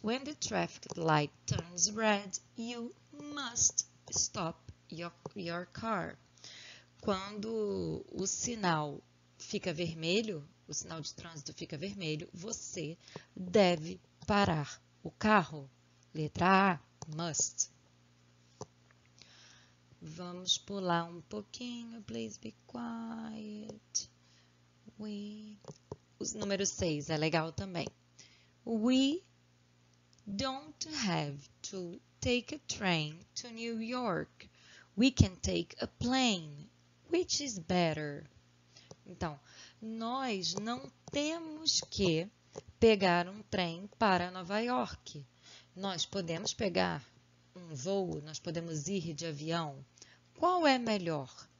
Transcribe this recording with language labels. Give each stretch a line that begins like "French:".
English: When the traffic light turns red, you must stop your car.
Portuguese: Quando o sinal fica vermelho, o sinal de trânsito fica vermelho, você deve parar o carro. Letra A, must. Vamos pular um pouquinho.
English: Please be quiet.
Portuguese: Número 6 é legal também.
English: We don't have to take a train to New York. We can take a plane. Which is better?
Portuguese: Então, nós não temos que pegar um trem para Nova York. Nós podemos pegar um voo, nós podemos ir de avião. Qual é melhor?